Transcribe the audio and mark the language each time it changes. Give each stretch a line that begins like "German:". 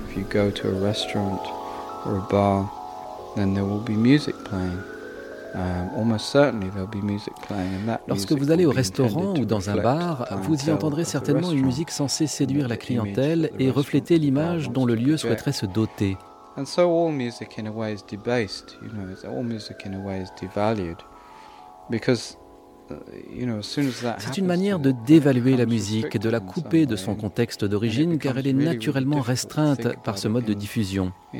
English: Go to a restaurant or a bar, then there will be music playing. Almost certainly there'll be music playing, and that.
French: Lorsque vous allez au restaurant ou dans un bar, vous y entendrez certainement une musique censée séduire la clientèle et refléter l'image dont le lieu souhaiterait se doter.
English: And so all music in a way is debased. You know, all music in a way is devalued, because.
French: C'est une manière de dévaluer la musique, de la couper de son contexte d'origine, car elle est naturellement restreinte par ce mode de diffusion.